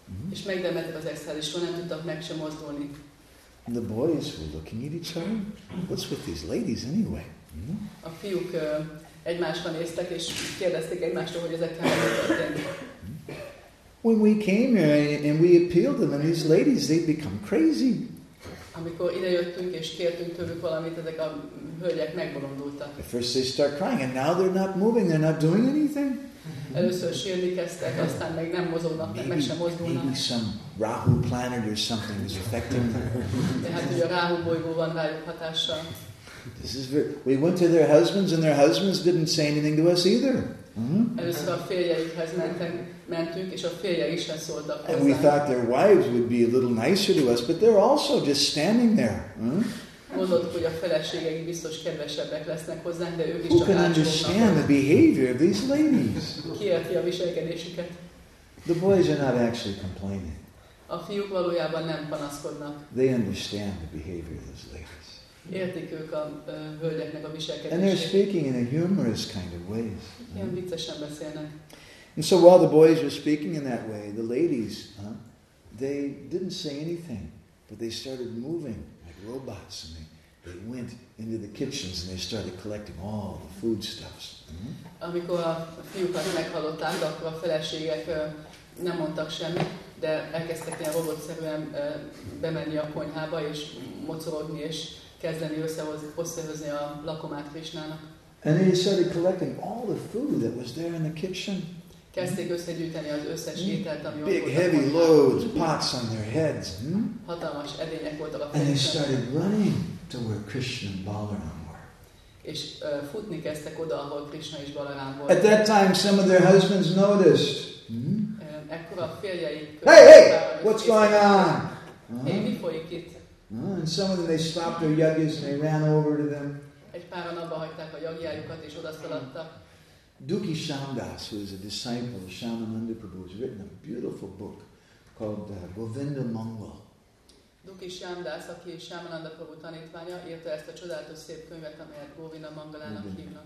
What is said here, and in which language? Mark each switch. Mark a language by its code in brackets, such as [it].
[hu] És megdermedtek az extázisban, nem tudtak meg sem mozdulni. [en] And the boys were looking at each other. What's with these ladies anyway? [hu] A fiúk egymásra néztek, és kérdezték egymástól, hogy ezekkel mi történt. [en] When we came here and we appealed to them, these ladies, they'd become crazy. [hu] Amikor idejöttünk és kértünk tőlük valamit, ezek a hölgyek megbolondultak. [en] At first they start crying, and now they're not moving, they're not doing anything. [hu] Először sírni kezdtek, aztán meg nem mozognak, meg sem mozdulnak. [en] Maybe some Rahu planet or something is affecting them. [hu] Tehát, hogy a Rahu bolygó van rájuk hatással. [en] This is we went to their husbands, and their husbands didn't say anything to us either. [hu] Először a férjeikhez mentünk, és a férjeik is sem szóltak hozzá. [en] And we thought their wives would be a little nicer to us, but they're also just standing there. [hu] gondoltuk, hogy a feleségek biztos kedvesebbek lesznek hozzánk, de ők is csak ácsolnak. [en] Who can understand the behavior of these ladies? [hu] Ki érti a viselkedésüket? [en] The boys are not actually complaining. [hu] A fiúk valójában nem panaszkodnak. [en] They understand the behavior of these ladies. [hu] Értik ők a hölgyeknek a viselkedését. [en] And they're speaking in a humorous kind of ways. [hu] Ilyen viccesen beszélnek. [en] And so while the boys were speaking in that way, the ladies, they didn't say anything, but they started moving like robots, and they went into the kitchens and they started collecting all the foodstuffs. [hu] Amikor a fiúkat meghallották, akkor a feleségek nem mondtak semmit, de elkezdtek ilyen robotszerűen bemenni a konyhába és mocorogni és kezdeni összehozni a lakomát Krisnának. [en] And they started collecting all the food that was there in the kitchen. [hu] Kezdték összegyűjteni az összes ételt, ami [en] big heavy loads, pots on their heads. [hu] Hatalmas edények voltak a fejükben. [en] And they started running to where Krishna and Balaram were. [hu] És futni kezdtek oda, ahol Krishna és Balaram volt. [en] At that time, some of their husbands noticed. [hu] Ekkora férjeik. [en] Hey, what's going on? [hu] Hey, mi folyik itt? [en] And some of them, they stopped their yagyas and they ran over to them. [hu] Egy páran abba hagyták a yagyájukat és odaszaladtak. [en] Duki Shamdas, who is a disciple of Shyamananda Prabhu, has written a beautiful book called Govinda Mangal. [hu] Duki Shyamdas, aki Shyamananda Prabhu tanítványa, írta ezt a csodálatos szép könyvet, amelyet Govinda Mangalának hívnak.